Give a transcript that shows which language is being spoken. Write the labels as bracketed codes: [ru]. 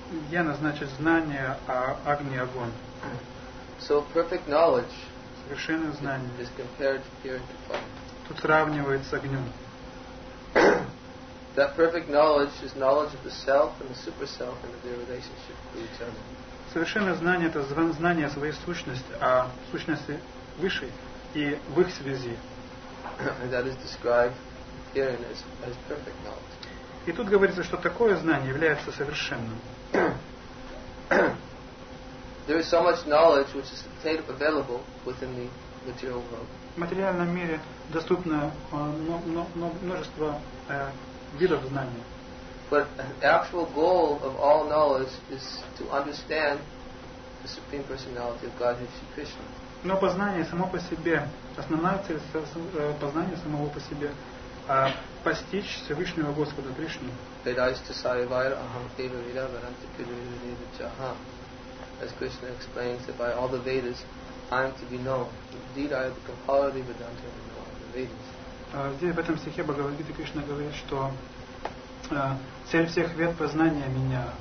[ru] Gyana значит знание, а агни огонь. [en] So perfect knowledge. [ru] Совершенное знание. [en] Is compared here to fire. [ru] Тут сравнивается с огнем. [en] That perfect knowledge is knowledge of the self and the super self and of their relationship to each other. [ru] Совершенное знание — это знание о своей сущности, о сущности высшей и в их связи. [en] That is described here as perfect knowledge. [ru] И тут говорится, что такое знание является совершенным. [en] There is so much knowledge which is obtained available within the material world. [ru] В материальном мире доступно множество видов знания. [en] But the actual goal of all knowledge is to understand the Supreme Personality of Godhead Shri Krishna. [ru] Но познание само по себе, основная цель познания самого по себе, постичь Всевышнего Господа Кришну. [sa] Vedaista sarivaira aham eva vida varanti pirulivida chaha. [en] As Krishna explains that by all the Vedas, I am to be known. Indeed, I am the compiler of the Vedanta and all the Vedas. [ru] Здесь в этом стихе Бхагавад-гита Кришна говорит, что цель всех вед — познание меня.